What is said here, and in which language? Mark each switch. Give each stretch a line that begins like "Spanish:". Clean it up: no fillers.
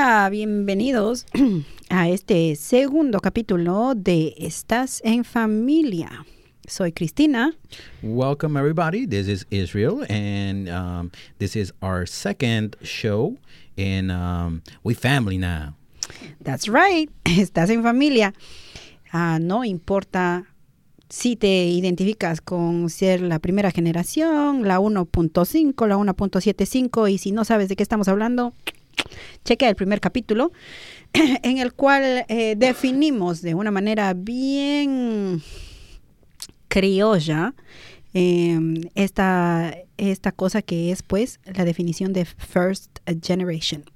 Spanish: bienvenidos a este segundo capítulo de Estas en Familia. Soy Cristina.
English: Welcome, everybody. This is Israel, and this is our second show, and we family now. That's right.
Spanish: Estás en familia. No importa si te identificas con ser la primera generación, la 1.5, la 1.75, y si no sabes de qué estamos hablando, chequea el primer capítulo, en el cual definimos de una manera bien criolla esta cosa que es, pues, la definición de first generation.